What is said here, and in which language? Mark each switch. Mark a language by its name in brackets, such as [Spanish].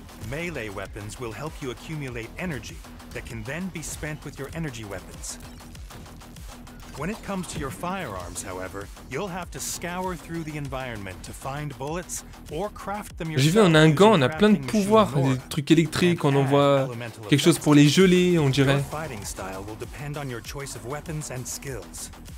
[English] Melee weapons will help you accumulate energy that can then be spent with your energy weapons. When it comes to your firearms, however, you'll have to scour through the environment to find bullets or craft them yourself. [French] J'ai vu, on a un gant, on a plein de pouvoirs, des trucs électriques, on envoie quelque chose pour les geler, on dirait. [English] Your fighting style will depend on your choice of weapons and skills.